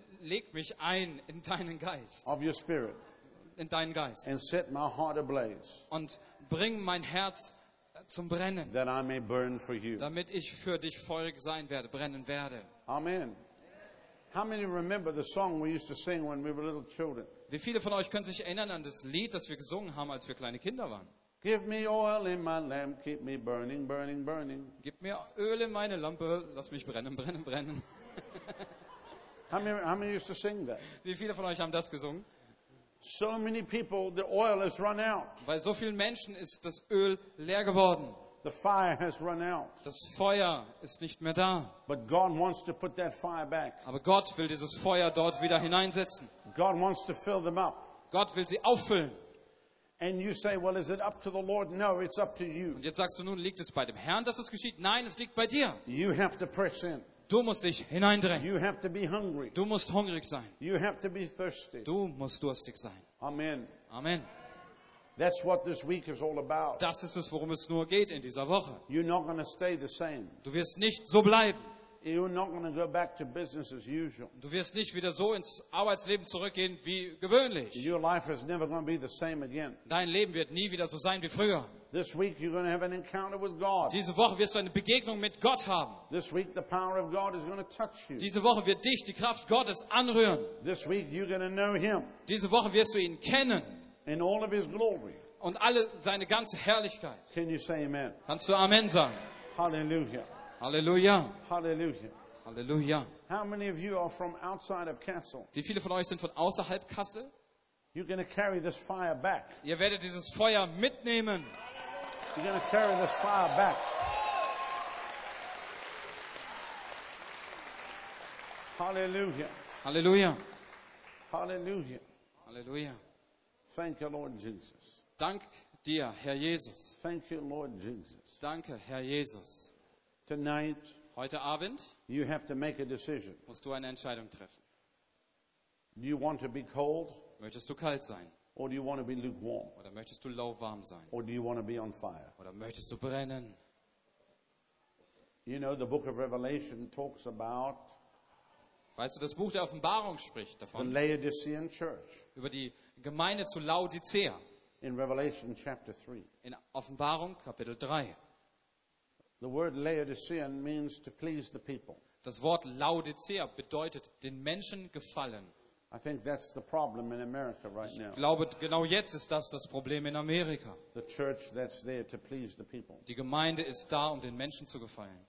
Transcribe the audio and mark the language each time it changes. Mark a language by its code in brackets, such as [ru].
[de] leg mich ein in deinen Geist. [en] Of your spirit. [de] In deinen Geist. [en] And set my heart ablaze. [de] Und bring mein Herz zum Brennen. [en] That I may burn for you. [de] Damit ich für dich feurig sein werde, brennen werde. Amen. [en] How many remember the song we used to sing when we were little children? [de] Wie viele von euch können sich erinnern an das Lied, das wir gesungen haben, als wir kleine Kinder waren? [en] Give me oil in my lamp, keep me burning, burning, burning. [de] Gib mir Öl in meine Lampe, lass mich brennen, brennen, brennen. [en] How many used to sing that? [de] Wie viele von euch haben das gesungen? [en] So many people, the oil has run out. [de] Bei so vielen Menschen ist das Öl leer geworden. [en] The fire has run out. [de] Das Feuer ist nicht mehr da. [en] But God wants to put that fire back. [de] Aber Gott will dieses Feuer dort wieder hineinsetzen. [en] God wants to fill them up. [de] Gott will sie auffüllen. [en] And you say, well, is it up to the Lord? No, it's up to you. [de] Und jetzt sagst du nun, liegt es bei dem Herrn, dass es geschieht? Nein, es liegt bei dir. [en] You have to press in. [de] Du musst dich hineindrängen. [en] You have to be hungry. [de] Du musst hungrig sein. [en] You have to be thirsty. [de] Du musst durstig sein. Amen. Amen. [en] That's what this week is all about. [de] Das ist es, worum es nur geht in dieser Woche. [en] You're not going to stay the same. [de] Du wirst nicht so bleiben. [en] You're not going to go back to business as usual. [de] Du wirst nicht wieder so ins Arbeitsleben zurückgehen wie gewöhnlich. [en] Your life is never going to be the same again. [de] Dein Leben wird nie wieder so sein wie früher. [en] This week you're going to have an encounter with God. [de] Diese Woche wirst du eine Begegnung mit Gott haben. [en] This week the power of God is going to touch you. [de] Diese Woche wird dich die Kraft Gottes anrühren. [en] This week you're going to know Him. [de] Diese Woche wirst du ihn kennen. [en] In all of His glory. [de] Und alle seine ganze Herrlichkeit. [en] Can you say Amen? [de] Kannst du Amen sagen? Hallelujah. Hallelujah. Hallelujah. Hallelujah. [en] How many of you are from outside of Kassel? [de] Wie viele von euch sind von außerhalb Kassel? [en] You're going to carry this fire back. [de] Ihr werdet dieses Feuer mitnehmen. [en] You're going to carry this fire back. Hallelujah. Hallelujah. Hallelujah. Hallelujah. Thank you, Lord Jesus. [de] Dank dir, Herr Jesus. [en] Thank you, Lord Jesus. [de] Danke, Herr Jesus. [en] Tonight, [de] heute Abend, [en] you have to make a decision. [de] Musst du eine Entscheidung treffen. [en] Do you want to be cold? [de] Möchtest du kalt sein? [en] Or do you want to be lukewarm? [de] Oder möchtest du lauwarm sein? [en] Or do you want to be on fire? [de] Oder möchtest du brennen? [en] You know, the book of Revelation talks about. [de] Weißt du, das Buch der Offenbarung spricht davon. [en] The Laodicean Church. [de] Über die Gemeinde zu Laodicea. [en] In Revelation chapter 3. [de] In Offenbarung Kapitel 3. [en] The word Laodicean means to please the people. [de] Das Wort Laodicea bedeutet den Menschen gefallen. [en] I think that's the problem in America right now. [de] Ich glaube, genau jetzt ist das Problem in Amerika. [en] The church that's there to please the people. [de] Die Gemeinde ist da, um den Menschen zu gefallen.